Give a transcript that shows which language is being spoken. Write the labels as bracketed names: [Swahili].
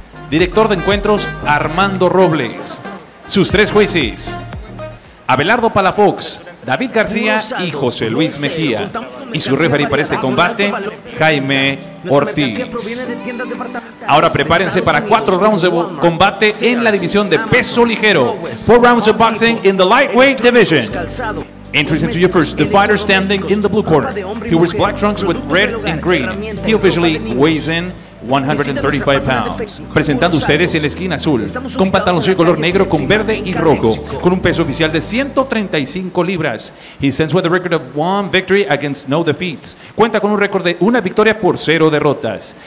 [Spanish] Director de Encuentros Armando Robles, sus tres jueces, Abelardo Palafox, David García y José Luis Mejía, y su referee para este combate, Jaime Ortiz. Ahora prepárense para 4 rounds de combate en la división de peso ligero. [English] 4 rounds of boxing in the lightweight division. Entries into your first, the fighter standing in the blue corner. He wears black trunks with red and green. He officially weighs in 135 pounds. [Spanish] Presentando a ustedes en la esquina azul, con pantalones de color negro con verde y rojo, con un peso oficial de 135 libras. [English] He stands with a record of 1 victory against no defeats. [Spanish] Cuenta con un récord de 1 victoria por 0 derrotas.